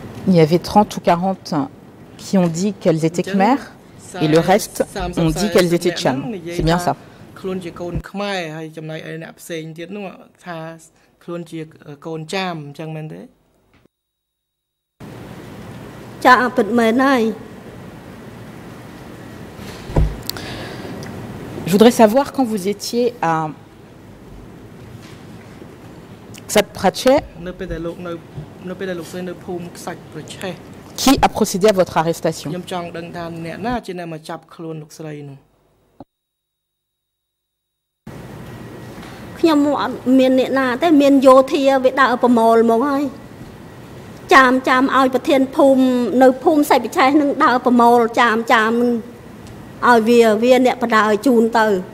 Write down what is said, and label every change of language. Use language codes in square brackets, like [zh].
[fr] Il y avait 30 ou 40 qui ont dit qu'elles étaient khmer et le reste ont dit qu'elles étaient cham. C'est bien ça. [km] ខ្លួន ជា កូន ខ្មែរ ហើយ ចំណាយ ឯ អ្នក ផ្សេង ទៀត នោះ ថា ខ្លួន ជា កូន ចាម អញ្ចឹង មែន ទេ ចា អ ពិត មែន ហើយ [fr] Je voudrais savoir quand vous étiez à Ksat Prachet [km] នៅ ពេល ដែល លោក នៅ ពេល ដែល លោក ស្រី នៅ ភូមិ ខ្សាច់ ប្រឆេះ [fr] Qui a procédé à votre arrestation? [km] ខ្ញុំ ចង់ ដឹង ថា អ្នក ណា ជា អ្នក មក ចាប់ ខ្លួន លោក ស្រី នោះ ខ្ញុំ មាន អ្នក ណា ទេ មាន យោធា វា ដើរ ប្រមូល មក ហើយ ចាម ចាម ឲ្យ ប្រធាន ភូមិ នៅ ភូមិ សៃ ប្រឆេះ នឹង ដើរ ប្រមូល ចាម ចាម ឲ្យ វា អ្នក ប្រដៅ ឲ្យ ជូន ទៅ